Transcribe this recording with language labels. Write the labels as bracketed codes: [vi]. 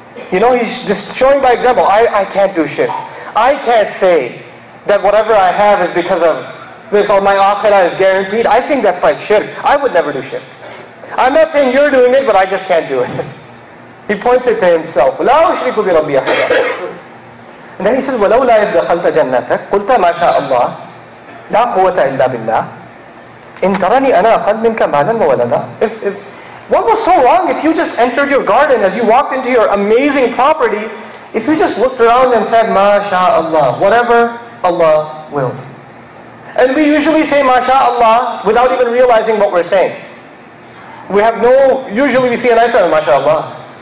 [en] You know, he's just showing by example, I can't do shirk. I can't say that whatever I have is because of this, or my akhirah is guaranteed. I think that's like shirk. I would never do shirk. I'm not saying you're doing it, but I just can't do it. He points it to himself. [ar] لَا أُشْرِكُ بِرَبِّي أَحَدًا. [en] And then he says, [ar] وَلَوْ لَا يَدْدَخَلْتَ جَنَّتَكَ قُلْتَ مَا شَاءَ اللَّهِ لَا قُوَّةَ إِلَّا بِاللَّهِ إِن تَرَنِي أَنَا أَقَلْ مِنْكَ مَالًا وَوَلَدًا. [en] What was so wrong if you just entered your garden as you walked into your amazing property, if you just looked around and said, MashaAllah, whatever Allah will. And we usually say MashaAllah without even realizing what we're saying. We have no, usually we see an ice cream, MashaAllah.